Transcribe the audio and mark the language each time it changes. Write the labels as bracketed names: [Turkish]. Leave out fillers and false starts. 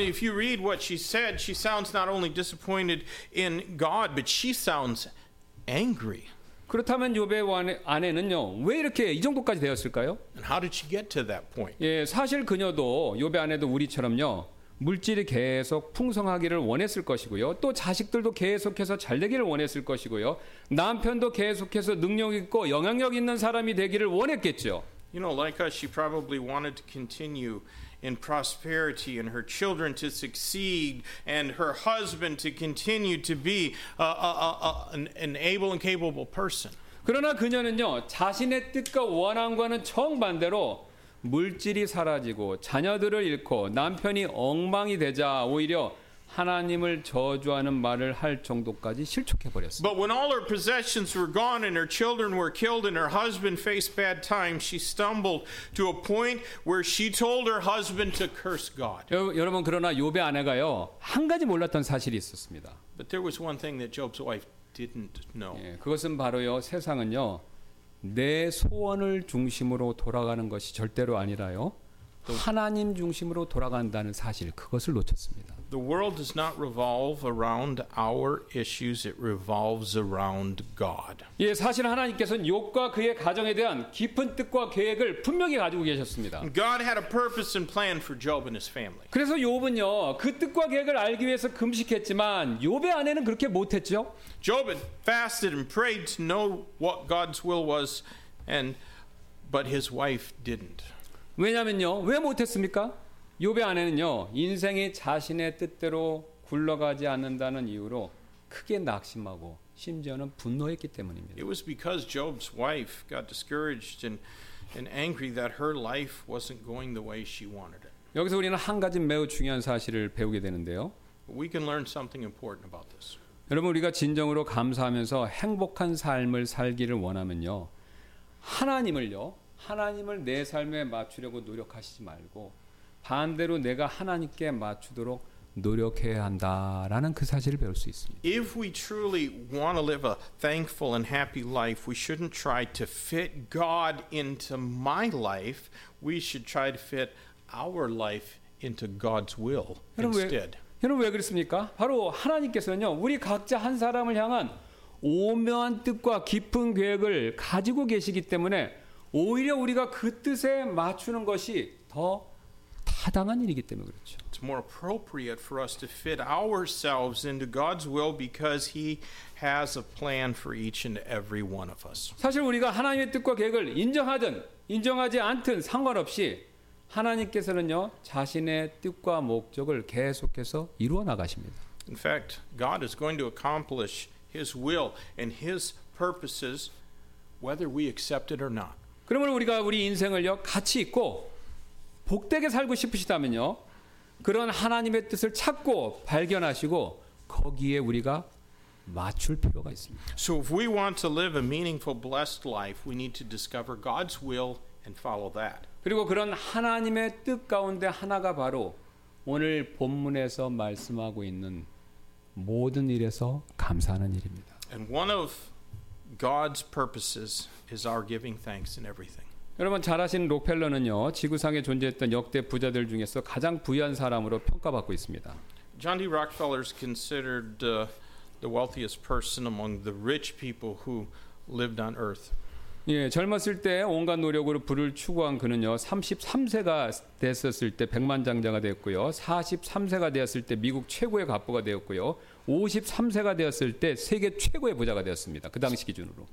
[English] If you read what she said, she sounds not only disappointed in God, but she sounds angry. [Korean] 그렇다면 욥의 아내는요 왜 이렇게 이 정도까지 되었을까요? [English] And how did she get to that point? [Korean] 예, 사실 그녀도 욥의 아내도 우리처럼요 물질이 계속 풍성하기를 원했을 것이고요. 또 자식들도 계속해서 잘 되기를 원했을 것이고요. 남편도 계속해서 능력 있고 영향력 있는 사람이 되기를 원했겠죠. [English] You know, like us, she probably wanted to continue in prosperity and her children to succeed and her husband to continue to be an able and capable person. [Korean] 그러나 그녀는요, 자신의 뜻과 원함과는 정반대로 물질이 사라지고 자녀들을 잃고 남편이 엉망이 되자 오히려 하나님을 저주하는 말을 할 정도까지 실족해 버렸어요. [English] But when all her possessions were gone and her children were killed and her husband faced bad times, she stumbled to a point where she told her husband to curse God. [Korean] 여러분 그러나 욥의 아내가요 한 가지 몰랐던 사실이 있었습니다. [English] But there was one thing that Job's wife didn't know. [Korean] 예, 그것은 바로요 세상은요. 내 소원을 중심으로 돌아가는 것이 절대로 아니라요. 하나님 중심으로 돌아간다는 사실 그것을 놓쳤습니다. [English] The world does not revolve around our issues. It revolves around God. [Korean] 예, 사실 하나님께서는 욥과 그의 가정에 대한 깊은 뜻과 계획을 분명히 가지고 계셨습니다. [English] God had a purpose and plan for Job and his family. [Korean] 그래서 욥은요, 그 뜻과 계획을 알기 위해서 금식했지만 욥의 아내는 그렇게 못했죠. [English] Job had fasted and prayed to know what God's will was, but his wife didn't. [Korean] 왜냐면요, 왜 못했습니까? 욥의 아내는요, 인생이 자신의 뜻대로 굴러가지 않는다는 이유로 크게 낙심하고 심지어는 분노했기 때문입니다. [English] It was because Job's wife got discouraged and angry that her life wasn't going the way she wanted it. [Korean] 여기서 우리는 한 가지 매우 중요한 사실을 배우게 되는데요. [English] We can learn something important about this. [Korean] 여러분 우리가 진정으로 감사하면서 행복한 삶을 살기를 원하면요, 하나님을 내 삶에 맞추려고 노력하시지 말고 반대로 내가 하나님께 맞추도록 노력해야 한다라는 그 사실을 배울 수 있습니다. [English] If we truly want to live a thankful and happy life, we shouldn't try to fit God into my life. We should try to fit our life into God's will instead. [Korean] 여러분 왜 그렇습니까? 바로 하나님께서는요, 우리 각자 한 사람을 향한 오묘한 뜻과 깊은 계획을 가지고 계시기 때문에 오히려 우리가 그 뜻에 맞추는 것이 더 타당한 일이기 때문에 그렇죠. [English] It's more appropriate for us to fit ourselves into God's will because He has a plan for each and every one of us. [Korean] 사실 우리가 하나님의 뜻과 계획을 인정하든 인정하지 않든 상관없이 하나님께서는요 자신의 뜻과 목적을 계속해서 이루어 나가십니다. [English] In fact, God is going to accomplish His will and His purposes, whether we accept it or not. [Korean] 그러면 우리가 우리 인생을요 가치 있고 복되게 살고 싶으시다면요 그런 하나님의 뜻을 찾고 발견하시고 거기에 우리가 맞출 필요가 있습니다. [English] So if we want to live a meaningful, blessed life, we need to discover God's will and follow that. [Korean] 그리고 그런 하나님의 뜻 가운데 하나가 바로 오늘 본문에서 말씀하고 있는 모든 일에서 감사하는 일입니다. [English] And one of God's purposes is our giving thanks in everything. [Korean] 여러분 잘 아시는 록펠러는요 지구상에 존재했던 역대 부자들 중에서 가장 부유한 사람으로 평가받고 있습니다. [English] John D. Rockefeller is considered the wealthiest person among the rich people who lived on Earth. [Korean] 예, 젊었을 때 온갖 노력으로 부를 추구한 그는요 33세가 됐었을 때 백만장자가 되었고요 43세가 되었을 때 미국 최고의 갑부가 되었고요 53세가 되었을 때 세계 최고의 부자가 되었습니다 그 당시 기준으로